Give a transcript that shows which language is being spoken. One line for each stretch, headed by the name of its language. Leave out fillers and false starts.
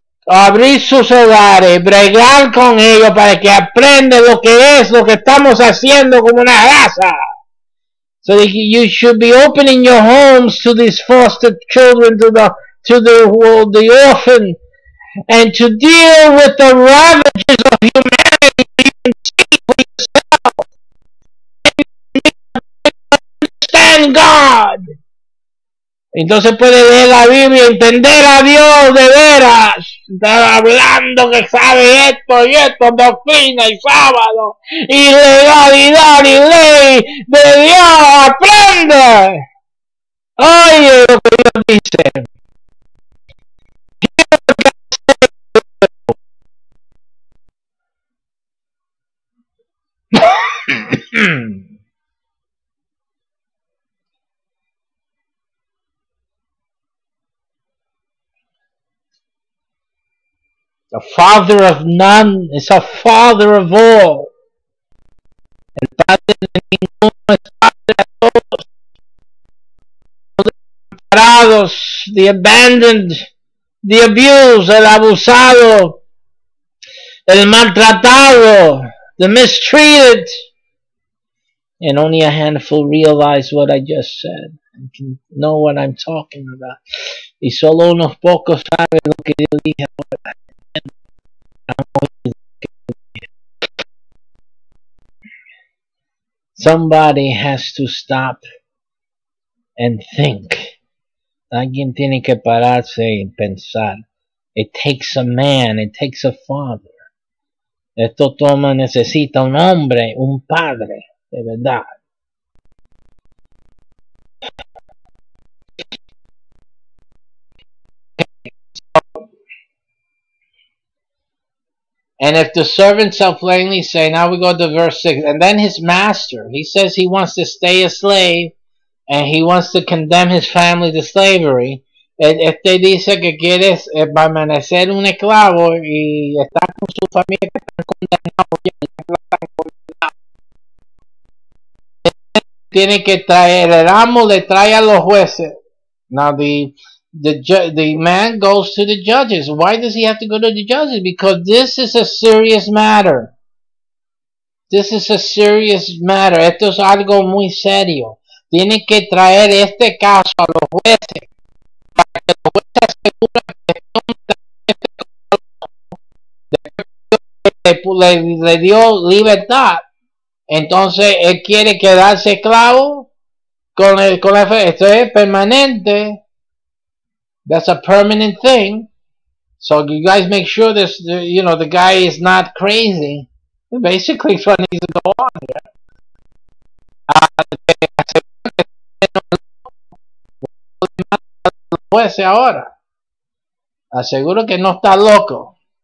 Spanish: Abrir sus hogares, bregar con ellos para que aprendan lo que es, lo que estamos haciendo como una raza.
English: So you should be opening your homes to these foster children, to the orphan, and to deal with the ravages of humanity you can see for yourself. Understand God.
Spanish: Entonces puede leer la Biblia, entender a Dios de veras. Estar hablando que sabe esto y esto, doctrina y sábado, y legalidad y ley de Dios. ¡Aprende! Oye lo que Dios dice.
English: The father of none is a father of all.
Spanish: El padre de ninguno es padre de todos. Los desamparados,
English: the abandoned, the abused,
Spanish: el abusado, el maltratado,
English: the mistreated. And only a handful realize what I just said and can know what I'm talking about.
Spanish: Y solo unos pocos saben lo que yo dije ahora.
English: Somebody has to stop and think.
Spanish: Alguien tiene que pararse y pensar.
English: It takes a man, it takes a father.
Spanish: Esto toma, necesita un hombre, un padre, de verdad.
English: And if the servant shall plainly say, now we go to verse 6, and then his master, he says he wants to stay a slave, and he wants to condemn his family to slavery.
Spanish: Este dice que quiere permanecer un esclavo y está con su familia que está condenado. Tiene que traer, el amo le trae a los jueces.
English: Now the man goes to the judges. Why does he have to go to the judges? Because this is a serious matter. This is a serious matter.
Spanish: Esto es algo muy serio. Tiene que traer este caso a los jueces. Le dio libertad, entonces él quiere quedarse esclavo con el esto es permanente.
English: That's a permanent thing. So you guys make sure this, you know, the guy is not crazy. Basically, what needs to go on here.
Spanish: Pues ahora, aseguro que no está loco.